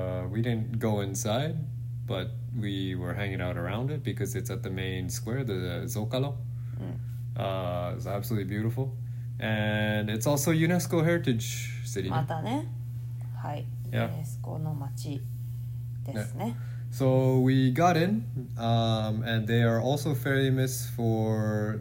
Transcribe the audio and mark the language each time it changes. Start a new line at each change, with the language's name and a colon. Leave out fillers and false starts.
English: We didn't go inside, but we were hanging out around it because it's at the main square, the Zócalo. It's absolutely beautiful. And it's also UNESCO Heritage City.
Japanese: またね。はい。 UNESCO の町ですね。
English: So we got in, and they are also famous for...